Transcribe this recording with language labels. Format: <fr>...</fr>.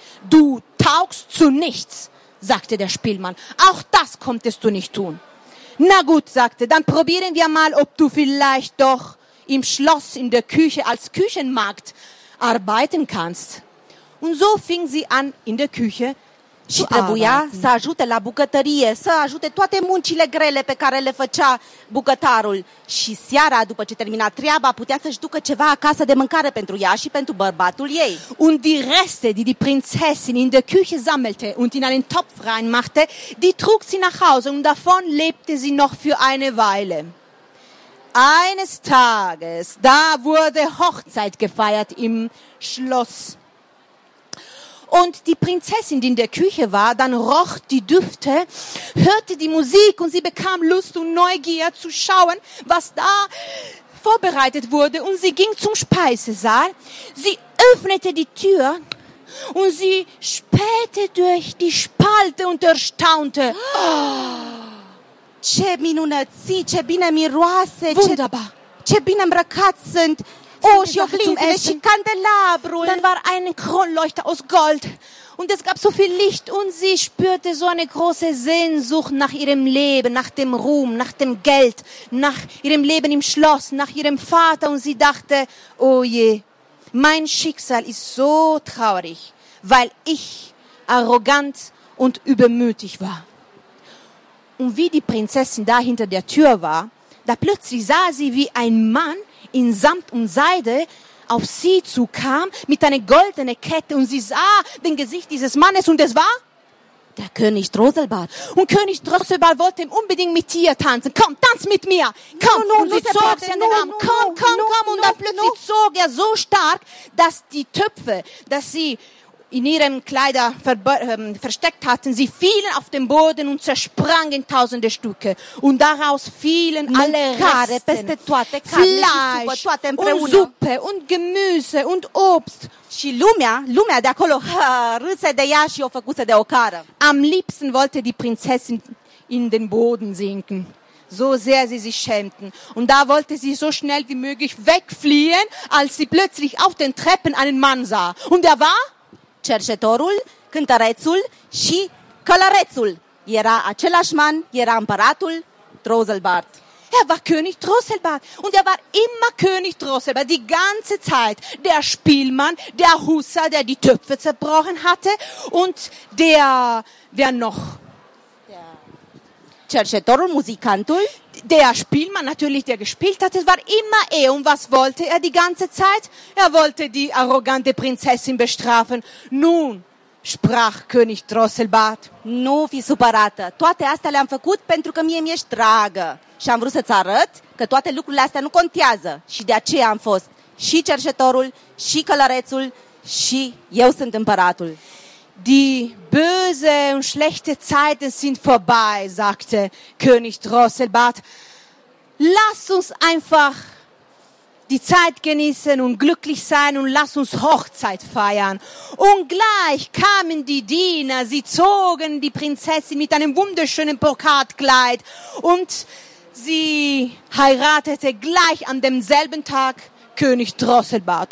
<de>Du taugst zu nichts, sagte der Spielmann. Auch das konntest du nicht tun. Na gut, sagte, dann probieren wir mal, ob du vielleicht doch im Schloss in der Küche als Küchenmagd arbeiten kannst. Und so fing sie an in der Küche.</de> <ro>Și trebuia să ajute la bucătărie, să ajute toate muncile grele pe care le făcea bucătarul. Și seara, după ce termina treaba, putea să-și ducă ceva acasă de mâncare pentru ea și pentru bărbatul ei.</ro> <de>Und die Reste, die die Prinzessin in der Küche sammelte und in einen Topf reinmachte, die trug sie nach Hause und davon lebte sie noch für eine Weile. Eines Tages, da wurde Hochzeit gefeiert im Schloss. Und die Prinzessin, die in der Küche war, dann roch die Düfte, hörte die Musik und sie bekam Lust und Neugier zu schauen, was da vorbereitet wurde. Und sie ging zum Speisesaal, sie öffnete die Tür und sie spähte durch die Spalte und erstaunte.</de> <ro>Ce minunății, ce bine miroase,</ro> <de>wunderbar.</de> <ro>Ce bine îmbrăcat sunt. Oh, și oglinzile și candelabrul.</ro> <de>Dann war ein Kronleuchter aus Gold. Und es gab so viel Licht. Und sie spürte so eine große Sehnsucht nach ihrem Leben, nach dem Ruhm, nach dem Geld, nach ihrem Leben im Schloss, nach ihrem Vater. Und sie dachte, oh je, mein Schicksal ist so traurig, weil ich arrogant und übermütig war. Und wie die Prinzessin da hinter der Tür war, da plötzlich sah sie, wie ein Mann in Samt und Seide auf sie zukam mit einer goldenen Kette und sie sah den Gesicht dieses Mannes und es war der König Drosselbart. Und König Drosselbart wollte unbedingt mit ihr tanzen. Komm, tanz mit mir! Komm! No, no, und sie zog sie an den Arm. Komm! Und dann plötzlich zog er so stark, dass die Töpfe, dass sie in ihrem Kleider versteckt hatten, sie fielen auf den Boden und zersprangen tausende Stücke. Und daraus fielen alle Reste,</de> <ro>peste toate,</ro> <de>Fleisch</de> <ro>și supă, toate</ro> <de>und Suppe und Gemüse und Obst.</de> <ro>Și lumea de acolo râse de ea și o făcuse de ocară.</ro> <de>Am liebsten wollte die Prinzessin in den Boden sinken. So sehr sie sich schämten. Und da wollte sie so schnell wie möglich wegfliehen, als sie plötzlich auf den Treppen einen Mann sah. Und er war</de> <ro>cerșetorul, cântărețul și călărețul. Era același man, era împăratul Drosselbart.</ro> <de>Er war König Drosselbart und er war immer König Drosselbart, die ganze Zeit. Der Spielmann, der Hussar, der die Töpfe zerbrochen hatte und der, wer noch?</de> <ro>Cerșetorul, muzicantul.</ro> <de>Der Spielmann natürlich, der gespielt hat, es war immer er. Und was wollte er die ganze Zeit? Er wollte die arrogante Prinzessin bestrafen. Nun, sprach König Drosselbart.</de> <ro>Nu fi supărată. Toate astea le-am făcut pentru că mie mi-ești dragă. Și am vrut să-ți arăt că toate lucrurile astea nu contează. Și de aceea am fost și cerșetorul, și călărețul, și eu sunt împăratul.</ro> <de>Die böse und schlechte Zeiten sind vorbei, sagte König Drosselbart. Lass uns einfach die Zeit genießen und glücklich sein und lass uns Hochzeit feiern. Und gleich kamen die Diener, sie zogen die Prinzessin mit einem wunderschönen Brokatkleid und sie heiratete gleich an demselben Tag König Drosselbart.</de>